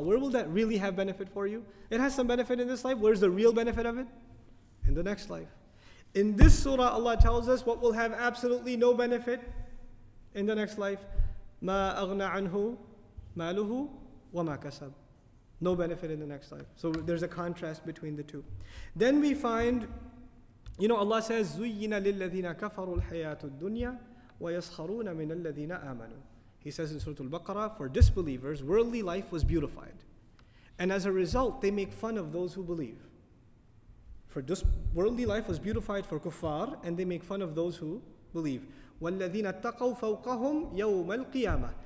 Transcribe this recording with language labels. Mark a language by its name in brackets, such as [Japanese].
[English] Where will that really have benefit for you? It has some benefit in this life. Where's the real benefit of it? In the next life. In this surah, Allah tells us what will have absolutely no benefit in the next life. [Arabic] مَا أَغْنَى عَنْهُ مَالُهُ وَمَا كَسَبْ. [English] No benefit in the next life. So there's a contrast between the two. Then we find, you know, Allah says, [Arabic] زُيِّنَ لِلَّذِينَ كَفَرُوا الْحَيَاةُ الدُّنْيَا وَيَسْخَرُونَ مِنَ الَّذِينَ آمَنُوا. [English] He says in Surah Al-Baqarah, for disbelievers, worldly life was beautified. And as a result, they make fun of those who believe. For this worldly life was beautified for kuffar, and they make fun of those who believe. [Arabic] وَالَّذِينَ اتَّقَوْا فَوْقَهُمْ يَوْمَ الْقِيَامَةِ.